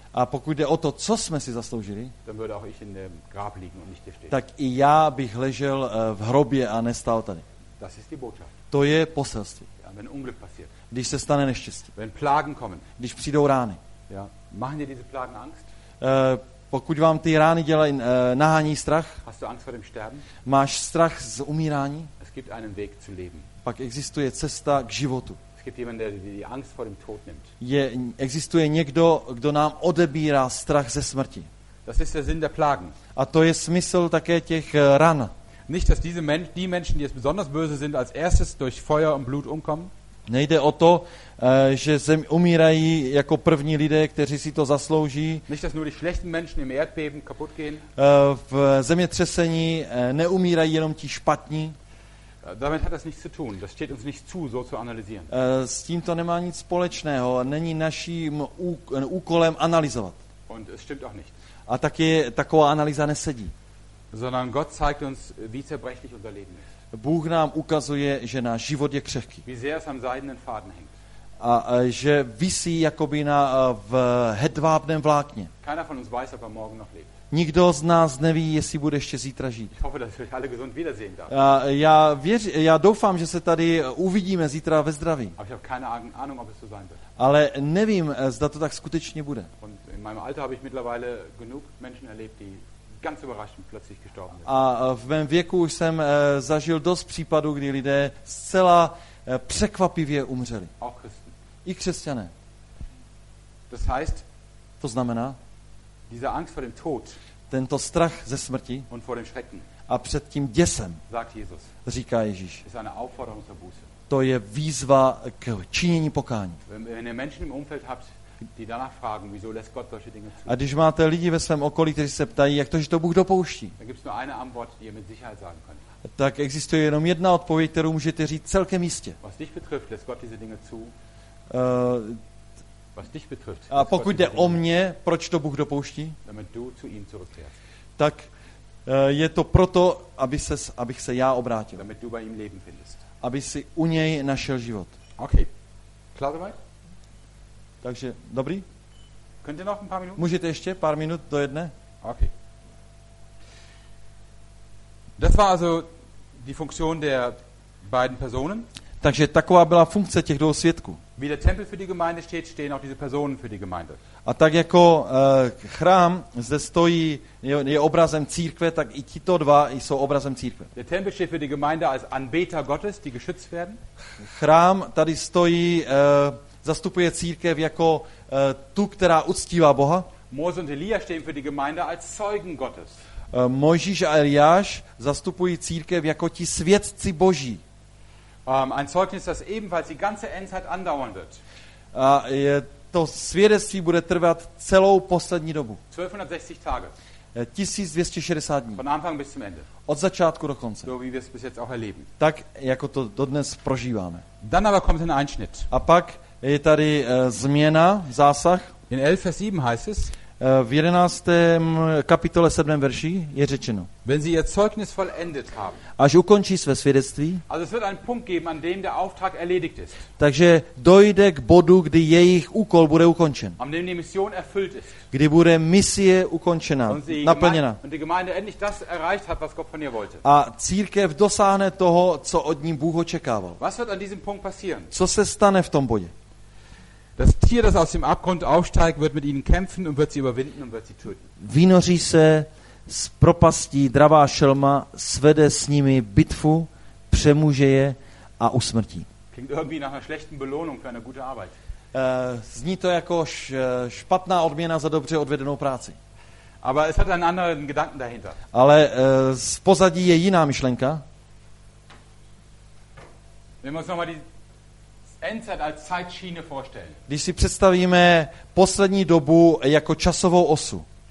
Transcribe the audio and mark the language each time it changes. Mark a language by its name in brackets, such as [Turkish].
[Czech] a pokud jde o to, co jsme si zasloužili, [German] dann würde auch ich in dem Grab liegen und nicht hier stehen. [Czech] Tak i já bych ležel v hrobě a nestál tady. [German] Das ist die Botschaft. [Czech] To je poselství. [German] Ja, wenn Unglück passiert. [Czech] Když se stane neštěstí. [German] Wenn Plagen kommen. [Czech] Když přijdou rány. [German] Ja, machen dir diese Plagen Angst? [Czech] Pokud vám ty rány dělají, nahání strach, [German] hast du Angst vor dem Sterben? [Czech] Máš strach z umírání, [German] es gibt einen Weg zu leben. [Czech] Pak existuje cesta k životu. [German] Es gibt jemand, der die Angst vor dem Tod nimmt. [Czech] Existuje někdo, kdo nám odebírá strach ze smrti. [German] Das ist der Sinn der Plagen. [Czech] A to je smysl také těch ran. [German] Nicht, dass diese Menschen, die Menschen, die jetzt besonders böse sind, als erstes durch Feuer und Blut umkommen. [Czech] Nejde o to, že zem umírají jako první lidé, kteří si to zaslouží. [German] Nicht, dass nur die schlechten Menschen im Erdbeben kaputt gehen. [Czech] V zemětřesení neumírají jenom ti špatní. [German] Damit hat das nichts zu tun. Das steht uns nicht zu, so zu analysieren. [Czech] S tím to nemá nic společného. Není naším úkolem analyzovat. [German] Und es stimmt auch nicht. [Czech] A taky taková analýza nesedí. [German] Sondern Gott zeigt uns, wie zerbrechlich unser Leben ist. [Czech] Bůh nám ukazuje, že náš život je křehký. [German] Wie sehr es am seidenen Faden hängt. [Czech] A že visí jakoby na v hedvábném vlákně. [German] Keiner von uns weiß, ob er morgen noch lebt. [Czech] Nikdo z nás neví, jestli bude ještě zítra žít. [German] Ich hoffe, dass wir alle gesund wiedersehen darf. [Czech] Já doufám, že se tady uvidíme zítra ve zdraví. [German] Aber ich habe keine Ahnung, ob es so sein wird. [Czech] Ale nevím, zda to tak skutečně bude. [German] Und in meinem Alter habe ich mittlerweile genug Menschen erlebt, die ganz überraschend plötzlich gestorben sind. [Czech] A v mém věku už jsem zažil dost případů, kdy lidé zcela překvapivě umřeli. [German] Auch Christen. [Czech] I křesťané. [German] Das heißt, [Czech] to znamená, [German] diese Angst vor dem Tod, [Czech] tento strach ze smrti [German] und vor dem Schrecken, [Czech] a před tím děsem, [German] sagt Jesus, [Czech] říká Ježíš, [German] ist eine Aufforderung zur Buße. [Czech] To je výzva k činění pokání. [German] Wenn ihr Menschen im Umfeld habt, die danach fragen, wieso lässt Gott solche Dinge zu? [Czech] A když máte lidi ve svém okolí, kteří se ptají, jak to, že to Bůh dopouští? [German] Da gibt's nur eine Antwort, die ihr mit Sicherheit sagen könnt. [Czech] Tak existuje jenom jedna odpověď, kterou můžete říct celkem jistě. [German] Was dich betrifft, lässt Gott diese Dinge zu. Was dich betrifft. [Czech] A pokud jde o mě, proč to Bůh dopouští? [German] Damit du zu ihm zurückkehrst. [Czech] Tak je to proto, abych se já obrátil. [German] Damit du bei ihm Leben findest. [Czech] Aby si u něj našel život. [German] Okay. Klar soweit? [Czech] Takže, dobrý? [German] Könnt ihr noch ein paar Minuten? [Czech] Můžete ještě pár minut do jedné? Okay. [German] Das war also die Funktion der beiden Personen. [Czech] Takže taková byla funkce těch dvou svědků. [German] Wie der Tempel für die Gemeinde steht, stehen auch diese Personen für die Gemeinde. [Czech] A tak jako chrám zde stojí, je obrazem církve, tak i tito dva jsou obrazem církve. [German] Der Tempel steht für die Gemeinde als Anbeter Gottes, die geschützt werden. [Czech] Chrám tady stojí, zastupuje církev jako tu, která uctívá Boha. [German] Mose und Elia stehen für die Gemeinde als Zeugen Gottes. [Czech] Mojžíš a Eliáš zastupují církev jako ti svědci Boží. [German] Ein Zeugnis, das ebenfalls die ganze Endzeit andauern wird. [Czech] A je, to svědectví bude trvat celou poslední dobu. [German] 1260 Tage. [Czech] 1260 dní. [German] Von Anfang bis zum Ende. [Czech] Od začátku do konce. [German] So wie wir es bis jetzt auch erleben. [Czech] Tak, jako to dodnes prožíváme. [German] Dann aber kommt ein Einschnitt. [Czech] A pak je tady změna, zásah. [German] In 11, Vers 7 heißt es. [Czech] V 11. kapitole 7. verši je řečeno. [German] Wenn sie ihr Zeugnis vollendet haben. [Czech] Až ukončí své svědectví. [German] Also es wird einen Punkt geben, an dem der Auftrag erledigt ist. [Czech] Takže dojde k bodu, kdy jejich úkol bude ukončen. [German] An dem die Mission erfüllt ist. [Czech] Kdy bude misie ukončena, naplněna. [German] Und die Gemeinde endlich das erreicht hat, was Gott von ihr wollte. [Czech] A církev dosáhne toho, co od ní Bůh očekával. [German] Was wird an diesem Punkt passieren? [Czech] Co se stane v tom bodě? [German] Das Tier, das aus dem Abgrund aufsteigt, wird mit ihnen kämpfen und wird sie überwinden und wird sie töten. [Czech] Vynoří se z propastí dravá šelma, svede s nimi bitvu, přemůže je a usmrtí. [German] Klingt irgendwie nach einer schlechten Belohnung für eine gute Arbeit. [Czech] Zní to jako špatná odměna za dobře odvedenou práci. [German] Aber es hat einen anderen Gedanken dahinter. [Czech] Ale z pozadí je jiná myšlenka. [German] Wir müssen nochmal die Endzeit als Zeitschiene vorstellen. [Czech] Když si představíme poslední dobu jako časovou osu,